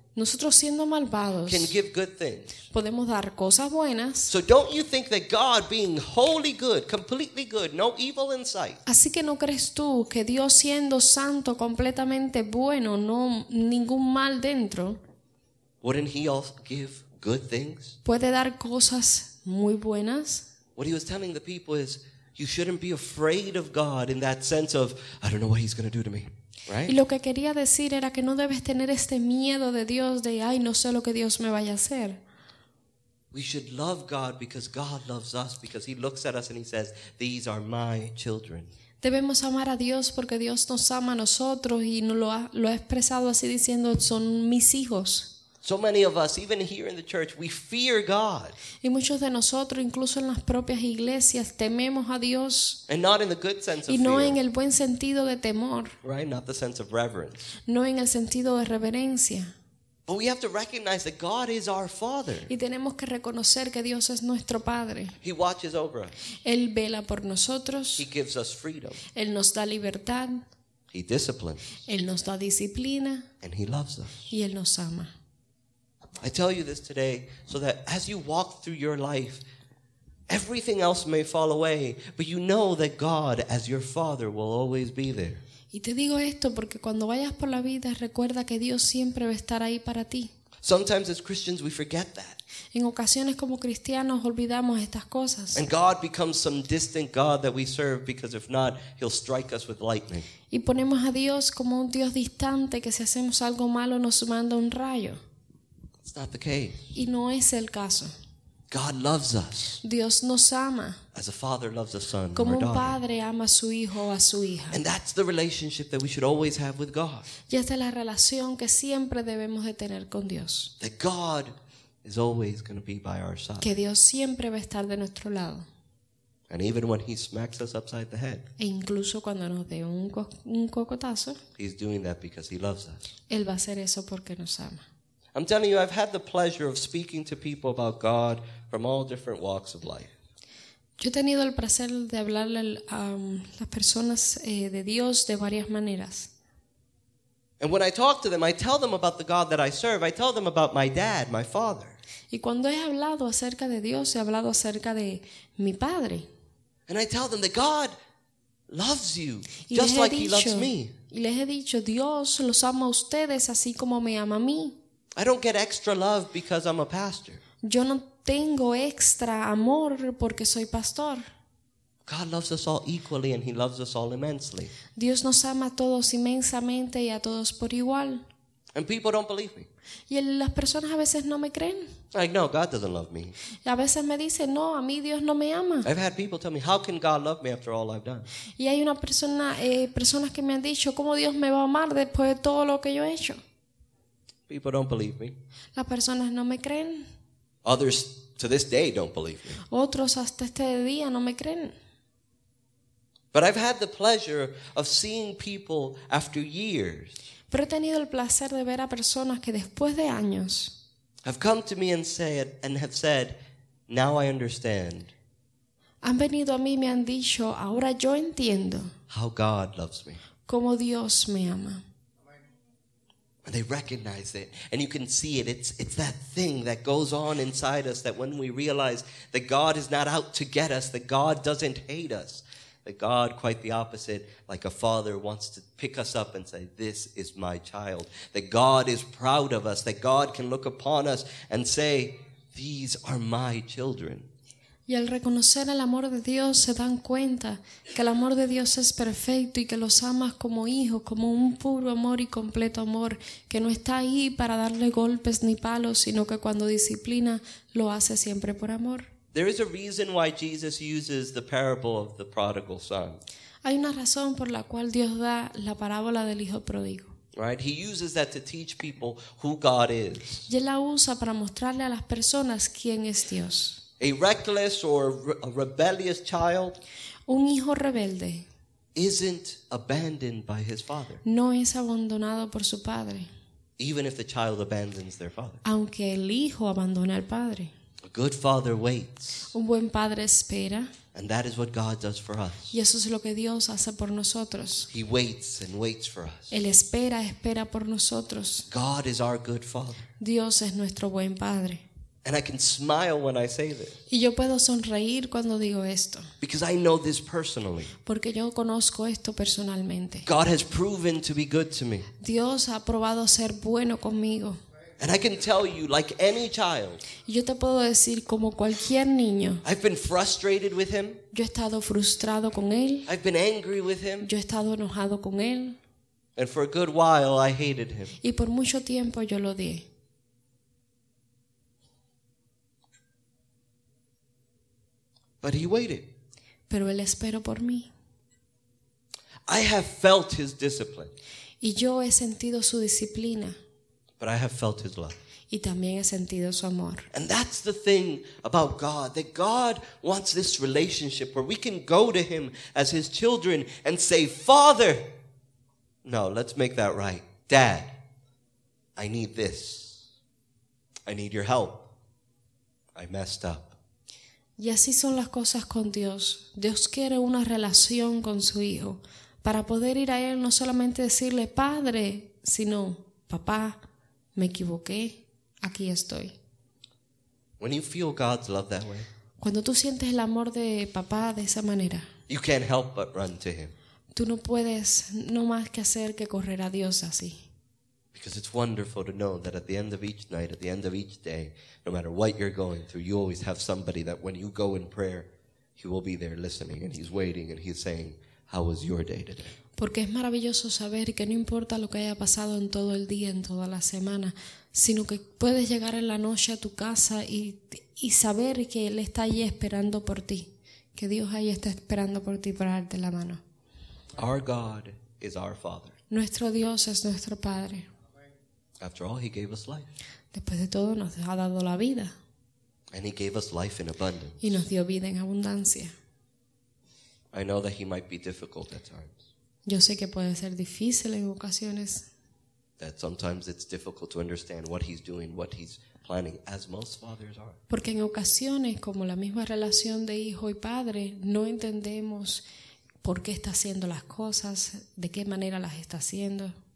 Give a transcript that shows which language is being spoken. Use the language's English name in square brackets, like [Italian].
[Spanish] Nosotros siendo malvados, [English] can give good things. [Spanish] Podemos dar cosas buenas. [English] So don't you think that God being wholly good, completely good, no evil in sight. [Spanish] Así que no crees tú que Dios siendo santo, completamente bueno, no ningún mal dentro. [English] Wouldn't he also give good things? [Spanish] Puede dar cosas muy buenas. [English] What he was telling the people is, you shouldn't be afraid of God in that sense of, I don't know what he's going to do to me. Right? [Spanish] Y lo que quería decir era que no debes tener este miedo de Dios de, ay, no sé lo que Dios me vaya a hacer. [English] We should love God because God loves us, because he looks at us and he says, these are my children. [Spanish] Debemos amar a Dios porque Dios nos ama a nosotros y lo ha expresado así diciendo, son mis hijos. [English] So many of us, even here in the church, we fear God. [Spanish] Y muchos de nosotros, incluso en las propias iglesias, tememos a Dios. [English] And not in the good sense of fear. [Spanish] Y no [English] fear. [Spanish] En el buen sentido de temor. [English] Right, not the sense of reverence. [Spanish] No en el sentido de reverencia. [English] But we have to recognize that God is our Father. [Spanish] Y tenemos que reconocer que Dios es nuestro Padre. [English] He watches over us. [Spanish] Él vela por nosotros. [English] He gives us freedom. [Spanish] Él nos da libertad. [English] He disciplines. [Spanish] Él nos da disciplina. [English] And he loves us. [Spanish] Y Él nos ama. [English] I tell you this today so that as you walk through your life, everything else may fall away, but you know that God, as your Father, will always be there. [Spanish] Y te digo esto porque cuando vayas por la vida, recuerda que Dios siempre va a estar ahí para ti. [English] Sometimes as Christians we forget that. [Spanish] En ocasiones como cristianos olvidamos estas cosas. [English] And God becomes some distant God that we serve, because if not, he'll strike us with lightning. [Spanish] Y ponemos a Dios como un Dios distante que si hacemos algo malo nos manda un rayo. [English] Not the case. [Spanish] Y no es el caso. [English] God loves us. [Spanish] Dios nos ama. [English] As a father loves a son. [Spanish] Como [English] or [Spanish] un padre ama a su hijo o a su hija. [English] And that's the relationship that we should always have with God. [Spanish] Y esta es la relación que siempre debemos de tener con Dios. [English] That God is always going to be by our side. [Spanish] Que Dios siempre va a estar de nuestro lado. [English] And even when he smacks us upside the head. [Spanish] E incluso cuando nos dé un cocotazo. [English] He's doing that because he loves us. [Spanish] Él va a hacer eso porque nos ama. [English] I'm telling you, I've had the pleasure of speaking to people about God from all different walks of life. [Spanish] Yo he tenido el placer de hablarle a las personas de Dios de varias maneras. [English] And when I talk to them, I tell them about the God that I serve. I tell them about my dad, my father. [Spanish] Y cuando he hablado acerca de Dios, he hablado acerca de mi padre. [English] And I tell them that God loves you just like he loves me. [Spanish] Y les he dicho, Dios los ama a ustedes así como me ama a mí. [English] I don't get extra love because I'm a pastor. [Spanish] Yo no tengo extra amor porque soy pastor. [English] God loves us all equally and he loves us all immensely. [Spanish] Dios nos ama a todos inmensamente y a todos por igual. [English] And people don't believe me. [Spanish] Y las personas a veces no me creen. [English] Like, no, God doesn't love me. [Spanish] Y a veces me dicen, no, a mí Dios no me ama. [English] I've had people tell me, how can God love me after all I've done? [Spanish] Y hay una persona, personas que me han dicho, ¿cómo Dios me va a amar después de todo lo que yo he hecho? [English] People don't believe me. [Spanish] Las personas no me creen. [English] Others to this day don't believe me. [Spanish] Otros hasta este día no me creen. [English] But I've had the pleasure of seeing people after years. [Spanish] Pero he tenido el placer de ver a personas que después de años [English] have come to me and said, now I understand. [Spanish] Han venido a mí y me han dicho, ahora yo entiendo [English] how God loves me. [Spanish] Cómo Dios me ama. [English] And they recognize it, and you can see it. It's that thing that goes on inside us that when we realize that God is not out to get us, that God doesn't hate us, that God, quite the opposite, like a father, wants to pick us up and say, this is my child. That God is proud of us, that God can look upon us and say, these are my children. [Spanish] Y al reconocer el amor de Dios, se dan cuenta que el amor de Dios es perfecto y que los amas como hijos, como un puro amor y completo amor, que no está ahí para darle golpes ni palos, sino que cuando disciplina, lo hace siempre por amor. [English] There is a reason why Jesus uses the parable of the prodigal son. [Spanish] Hay una razón por la cual Dios da la parábola del hijo pródigo. [English] Right? He uses that to teach people who God is. [Spanish] Y él la usa para mostrarle a las personas quién es Dios. [English] A reckless or a rebellious child, [Spanish] un hijo rebelde, [English] isn't abandoned by his father. [Spanish] No es abandonado por su padre. [English] Even if the child abandons their father. [Spanish] Aunque el hijo abandone al padre. [English] A good father waits. [Spanish] Un buen padre espera. [English] And that is what God does for us. [Spanish] Y eso es lo que Dios hace por nosotros. [English] He waits and waits for us. [Spanish] Él espera, espera por nosotros. [English] God is our good father. [Spanish] Dios es nuestro buen padre. [English] And I can smile when I say this. [Spanish] Y yo puedo sonreír cuando digo esto. [English] Because I know this personally. [Spanish] Porque yo conozco esto personalmente. [English] God has proven to be good to me. [Spanish] Dios ha probado ser bueno conmigo. [English] And I can tell you, like any child, [Spanish] yo te puedo decir, como cualquier niño, [English] I've been frustrated with him. [Spanish] Yo he estado frustrado con él. [English] I've been angry with him. [Spanish] Yo he estado enojado con él. [English] And for a good while, I hated him. [Spanish] Y por mucho tiempo yo lo odié. [English] But he waited. [Spanish] Pero él esperó por mí. [English] I have felt his discipline. [Spanish] Y yo he sentido su disciplina. [English] But I have felt his love. [Spanish] Y también he sentido su amor. [English] And that's the thing about God, that God wants this relationship where we can go to him as his children and say, Father, no, let's make that right. Dad, I need this. I need your help. I messed up. [Spanish] Y así son las cosas con Dios. Dios quiere una relación con su hijo para poder ir a él no solamente decirle padre, sino papá, me equivoqué, aquí estoy. [English] When you feel God's love that way, [Spanish] cuando tú sientes el amor de papá de esa manera, [English] you can't help but run to him. [Spanish] Tú no puedes no más que hacer que correr a Dios así. [English] Because it's wonderful to know that at the end of each night, at the end of each day, no matter what you're going through, you always have somebody that when you go in prayer, he will be there listening and he's waiting and he's saying, how was your day today? [Spanish] Porque es maravilloso saber que no importa lo que haya pasado en todo el día, en toda la semana, sino que puedes llegar en la noche a tu casa y saber que él está ahí esperando por ti, que Dios ahí está esperando por ti para darte la mano. [English] Our God is our Father. [Spanish] Nuestro Dios es nuestro Padre. [English] After all, he gave us life. [Spanish] Después de todo, nos ha dado la vida. [English] And he gave us life in abundance. [Spanish] Y nos dio vida en abundancia. [English] I know that he might be difficult at times. [Spanish] Yo sé que puede ser difícil en ocasiones. [English] That sometimes it's difficult to understand what he's doing, what he's planning, as most fathers are. [Spanish] Porque en ocasiones, como la misma relación de hijo y padre, no entendemos por qué está haciendo las cosas, de qué manera las está haciendo.